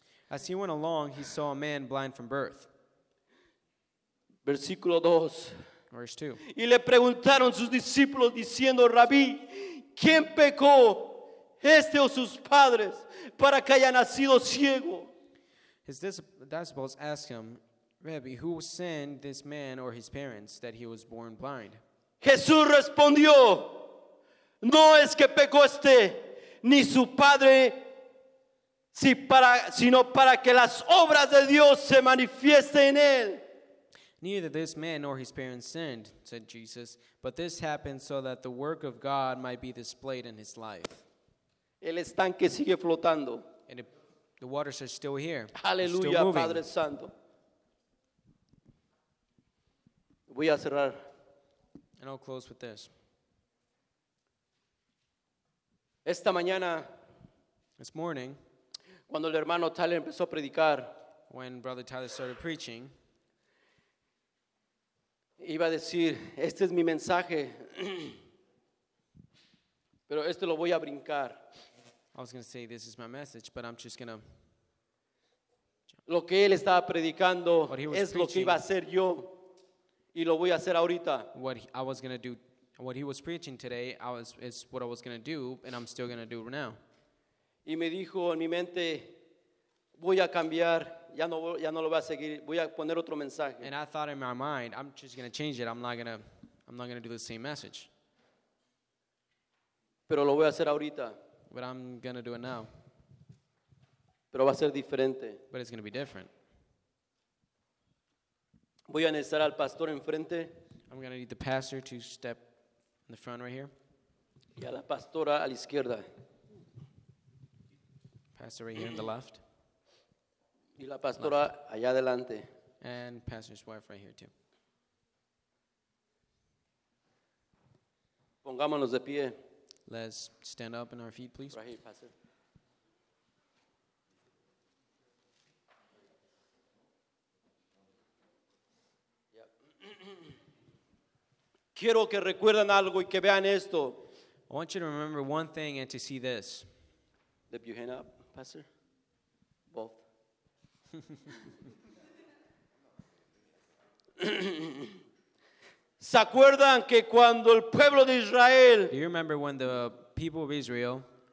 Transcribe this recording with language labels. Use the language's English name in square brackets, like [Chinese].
[English] As he went along, he saw a man blind from birth. [Spanish] Versículo 2. [English] Verse 2. [Spanish] Y le preguntaron sus discípulos diciendo, Rabí, ¿quién pecó, este o sus padres, para que haya nacido ciego? [English] His disciples asked him, Rabbi, who sinned, this man or his parents, that he was born blind? [Spanish] Jesús respondió, no es que pecó este, ni su padre, sino para que las obras de Dios se manifiesten en él. [English] Neither this man nor his parents sinned, said Jesus, but this happened so that the work of God might be displayed in his life. [Spanish] El estanque sigue flotando. [English] And the waters are still here. [Spanish] Aleluya, Padre Santo. Voy a cerrar. [English] And I'll close with this. [Spanish] Esta mañana, [English] this morning, [Spanish] cuando el hermano Tyler empezó a predicar, [English] when Brother Tyler started preaching, [Spanish] iba a decir, este es mi mensaje, pero este lo voy a brincar. [English] I was going to say, this is my message, but I'm just going to. [Spanish] Lo que él estaba predicando es lo que iba a hacer yo. Y lo voy a hacer ahorita. [English] What he was preaching today is what I was going to do, and I'm still going to do it now. [Spanish] Y me dijo en mi mente, voy a cambiar, ya no lo voy a seguir, voy a poner otro mensaje. [English] And I thought in my mind, I'm just going to change it. I'm not going to do the same message. [Spanish] Pero lo voy a hacer ahorita. [English] But I'm going to do it now. [Spanish] Pero va a ser diferente. [English] But it's going to be different. [Spanish] Voy a necesitar al pastor enfrente. [English] I'm going to need the pastor to step in the front right here. [Spanish] Y a la pastora a la izquierda. [English] Pastor right here on the left. [Spanish] Y la pastora left. Allá adelante. [English] And pastor's wife right here too. [Spanish] Pongámonos de pie. [English] Let's stand up on our feet, please. Right here, pastor. [Spanish] Quiero que recuerden algo y que vean esto. [English] I want you to remember one thing and to see this. Lift your hand up, pastor. Both. [Spanish] ¿Se acuerdan que cuando el pueblo de Israel? [English] Do you remember when the people of Israel?